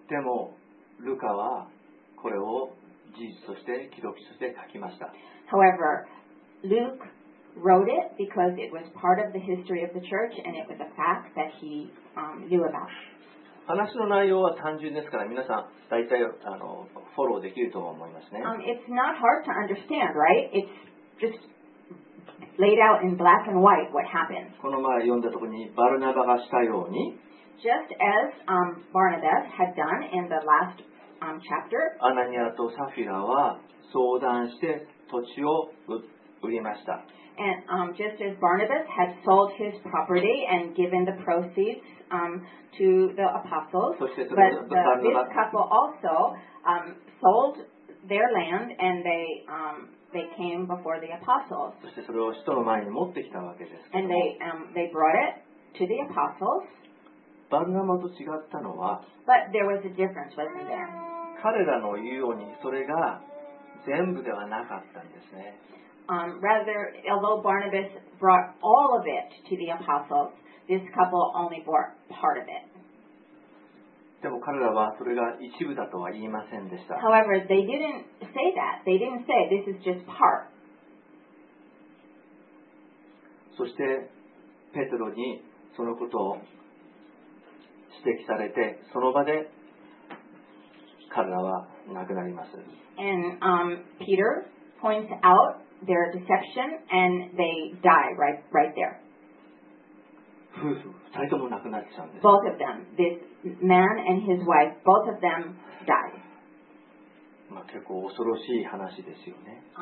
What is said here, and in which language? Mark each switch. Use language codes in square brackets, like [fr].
[ja] でもルカはこれを事実として記録として書きました。 [en] However, Luke wrote it because it was part of the history of the church and it was a fact that he knew about. [ja] 話の内容は単純ですから皆さん大体フォローできると思いますね。 [en] It's not hard to understand, right? It's just laid out in black and white what happened. [ja] この前読んだところにバルナバがしたように [en] Just as Barnabas had done in the last chapter, [ja] アナニアとサフィラは相談して土地を売りました。 [en] And just as Barnabas had sold his property and given the proceeds to the apostles, but this couple also sold their land and they came before the apostles. And they brought it to the apostles. But there was a difference, wasn't there? [ja] 彼らの言うようにそれが全部ではなかったんですね。 [en] Rather, although Barnabas brought all of it to the apostles, this couple only brought part of it. [ja] でも彼らはそれが一部だとは言いませんでした。 [en] However, they didn't say that. They didn't say this is just part. [ja] そしてペトロにそのことを指摘されて、その場で彼らは亡くなります。 [en] And Peter points out their deception and they die right there. [ja] 夫婦、二人とも亡くなっちゃうんです。 [en] Both of them, this man and his wife, both of them die. [ja] まあ結構恐ろしい話ですよね。